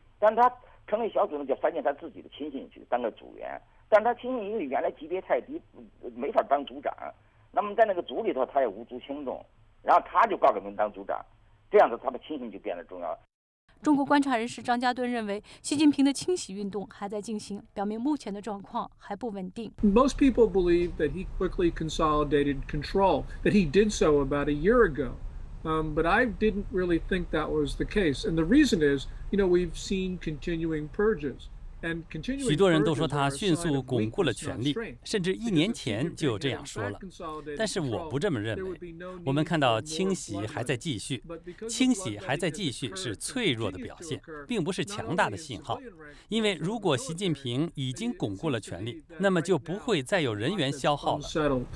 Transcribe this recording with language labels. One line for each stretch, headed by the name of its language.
Chinese: 但他成立小组呢，就翻进他自己的亲信去当个组员，但他亲信因为原来级别太低，没法当组长，那么在那个组里头他也无足轻重，然后他就挂个名当组长，这样子他的亲信就变得重要了。中国观察人士张家敦认为，习近平的清洗运动还在进行，表明目前的状况还不稳定。
English: Most people believe that he quickly consolidated control, that he did so about a year ago. But I didn't really think that was the case. And the reason is, you know, we've seen continuing purges.
Chinese: 许多人都说他迅速巩固了权力，甚至一年前就这样说了，但是我不这么认为。我们看到清洗还在继续，清洗还在继续是脆弱的表现，并不是强大的信号。因为如果习近平已经巩固了权力，那么就不会再有人员消耗了。